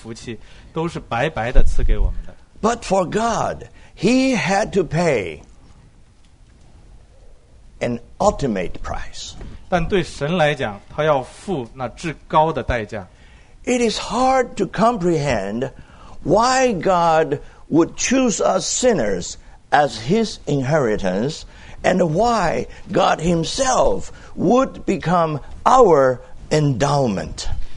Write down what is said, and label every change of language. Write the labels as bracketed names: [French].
[Chinese] 你知道吗？我心里充满了感谢，因为所有这些天上属灵的福气都是白白的赐给我们的。 [English] But for God, He had to pay an ultimate price. [Chinese] 但对神来讲，他要付那至高的代价。 [English] It is hard to comprehend why God would choose us sinners as His inheritance, and why God Himself would become our endowment.